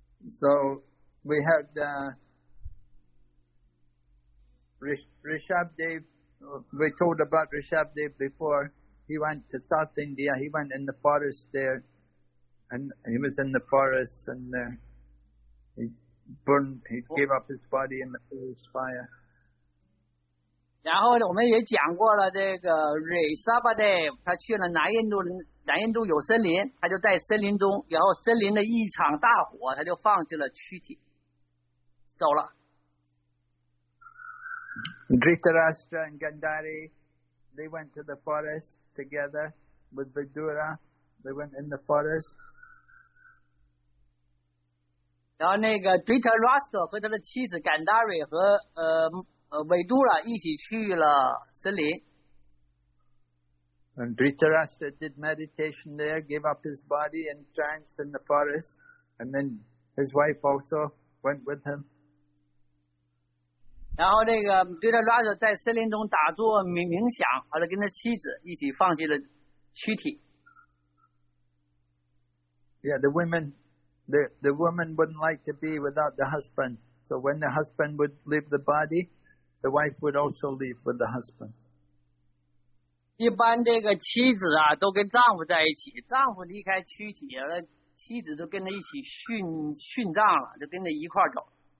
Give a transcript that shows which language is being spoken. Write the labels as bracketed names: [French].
[English] So we had Rishabhdev. We told about Rishabhdev before. He went to South India. He went in the forest there. And he was in the forest and he burned, he gave up his body in the forest fire. [Chinese] 然后我们也讲过了这个 Rishabhdev, 他去了南印度有森林，他就在森林中，然后森林的一场大火，他就放弃了躯体，走了。 [English] Dhritarashtra and Gandhari, they went to the forest together with Vidura. They went in the forest. [Chinese] 然后那个 Dhritarashtra 和他的妻子 Gandhari 和Vidura 一起去了森林。 [English] And Dhritarashtra did meditation there, gave up his body in trance in the forest, and then his wife also went with him. [Chinese] 然后那个 Dhritarashtra 在森林中打坐冥想，后来跟他妻子一起放弃了躯体。 [English] Yeah, the woman wouldn't like to be without the husband. So when the husband would leave the body, the wife would also leave with the husband. [Chinese] 一般这个妻子啊都跟丈夫在一起，丈夫离开躯体了，妻子都跟着一起殉葬了，就跟着一块走。